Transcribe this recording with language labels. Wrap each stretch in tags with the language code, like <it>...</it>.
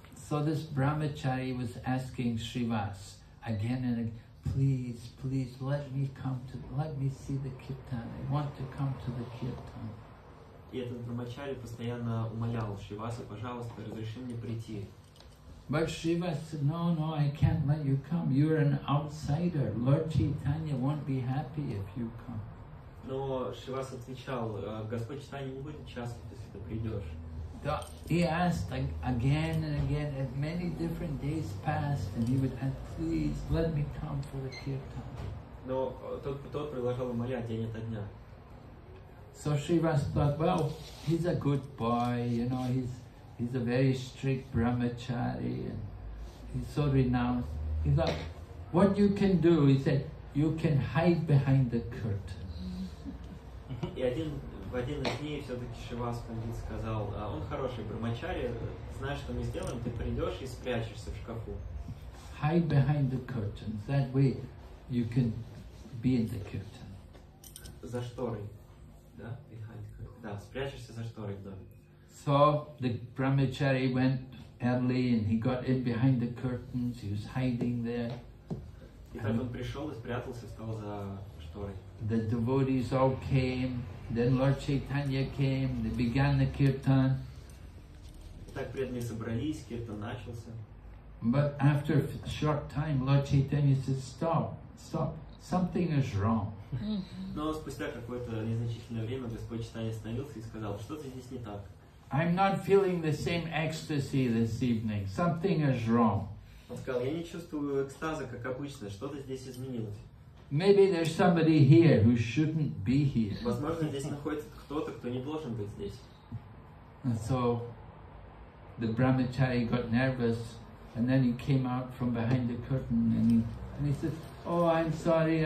<en>So this brahmachari was asking Shrivas again and again, please, please let me come to, let me see the kirtan. I want to come to the kirtan.</en> <ru>И этот брахмачари постоянно умолял Шиваса, пожалуйста, разреши мне прийти.</ru> <en>But Shiva said, no, no, I can't let you come. You're an outsider. Lord Chaitanya won't be happy if you come.</en> <ru>Но Шивас отвечал, Господь Чайтанья не будет счастлив, если ты придешь.</ru> <en>He asked again and again, and many different days passed, and he would ask, please, let me come for the kirtan.</en> <ru>Но тот предлагал умолять день ото дня.</ru> <en>So Shivas thought, well, he's a good boy, you know, he's a very strict brahmachari, and he's so renounced. He thought, what you can do, he said, you can hide behind the curtain.</en> <ru>И в один из дней все-таки Шивас Пандит сказал, он хороший брахмачари, знаешь, что мы сделаем, ты придешь и спрячешься в шкафу.</ru> <en>Hide behind the curtains, that way you can be in the curtain.</en> <ru>За шторой, да?</ru> <en>Behind the curtain.</en> <ru>Да, спрячешься за шторой в доме.</ru> <en>So the brahmachari went early and he got in behind the curtains, he was hiding there.</en> <ru>И так он пришел и спрятался, встал за шторой.</ru> <en>The devotees all came, then Lord Chaitanya came, they began the kirtan.</en> <ru>Так преданные собрались, киртан начался.</ru> <en>But after a short time, Lord Chaitanya said, stop, something is wrong.</en> <ru>Но спустя какое-то незначительное время Господь Чайтанья остановился и сказал, что-то здесь не так.</ru> <en>I'm not feeling the same ecstasy this evening, something is wrong.</en> <ru>Он сказал, я не чувствую экстаза, как обычно, что-то здесь изменилось.</ru> <en>Maybe there's somebody here who shouldn't be here.</en> <ru>Возможно, здесь находится кто-то, кто не должен быть здесь.</ru> <en>And so the brahmachari got nervous, and then he came out from behind the curtain, and he said, "Oh, I'm sorry.</en>